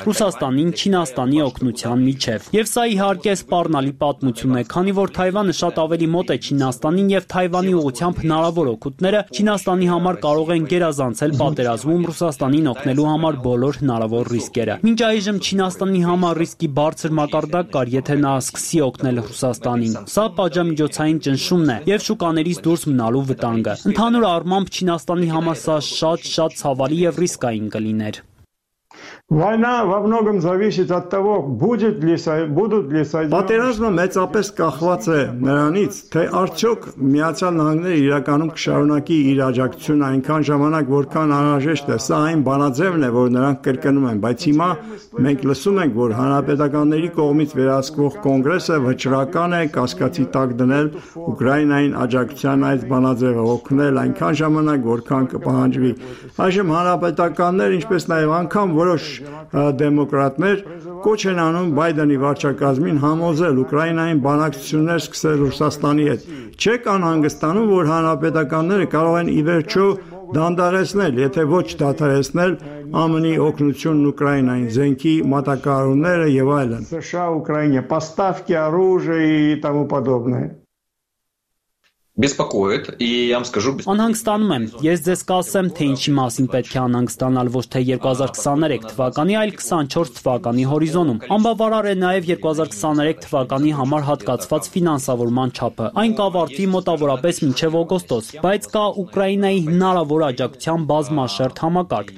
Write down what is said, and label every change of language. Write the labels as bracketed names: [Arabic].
[Armenian] Ռուսաստանին Չինաստանի օգնության միջև, և սա իհարկե սպառնալի պատմություն է, քանի որ Թայվանը շատ ավելի մոտ է Չինաստանին և Թայվանի ուղղությամբ հնարավոր օգուտները Չինաստանի համար կարող են գերազանցել պատերազմում Ռուսաստանին օգնելու համար բոլոր հնարավոր ռիսկերը։ Մինչ այժմ Չինաստանի համար ռիսկի բարձր մակարդակ կար, եթե նա սկսի օգնել Ռուսաստանին, սա պատժամիջոցային ճնշումն է և շուկաներից դուրս մնալու վտանգը։ Ընդհանուր առմամբ Չինաստանի համար սա շատ ցավալի և ռիսկային կլիներ։ [Russian] Война во многом зависит от того, будет ли будут ли Соединенные. [Armenian] Պատերազմը մեծապես կախված է նրանից, թե արդյոք Միացյալ Նահանգները իրականում կշարունակի իր աջակցությունը այնքան ժամանակ, որքան անհրաժեշտ է։ Սա այն բանաձևն է, որ նրանք կրկնում են, բայց հիմա մենք լսում ենք, որ հանրապետականների կողմից վերահսկվող կոնգրեսը վճռական է կասկածի տակ դնել Ուկրաինային աջակցության այդ բանաձևը օգնել այնքան ժամանակ, որքան կպահանջվի։ Այժմ հանրապետականներ, ինչպես նաև անգամ դեմոկրատներ կոչ են անում Բայդենի վարչակազմին համոզել Ուկրաինային բանակցություններ սկսել Ռուսաստանի հետ։ Չեք անհանգստանում, որ հանրապետականները կարող են ի վերջո դանդաղեցնել, եթե ոչ դադարեցնել ԱՄՆ-ի օգնությունն Ուկրաինային, զենքի մատակարարումները եւ այլն։ [Russian] США, Ուկրաինա, поставки оружия и тому подобное. Беспокоит, и я вам скажу, [Armenian] Անհանգստանում եմ։ Ես ձեզ կասեմ, թե ինչի մասին պետք է անհանգստանալ, ոչ թե 2023 թվականի, այլ 24 թվականի հորիզոնում։ Անբավարար է նաև 2023 թվականի համար հատկացված ֆինանսավորման չափը։ Այն կավարտվի մոտավորապես մինչև օգոստոս, բայց կա Ուկրաինայի հնարավոր աջակցության բազմաշերտ համակարգ։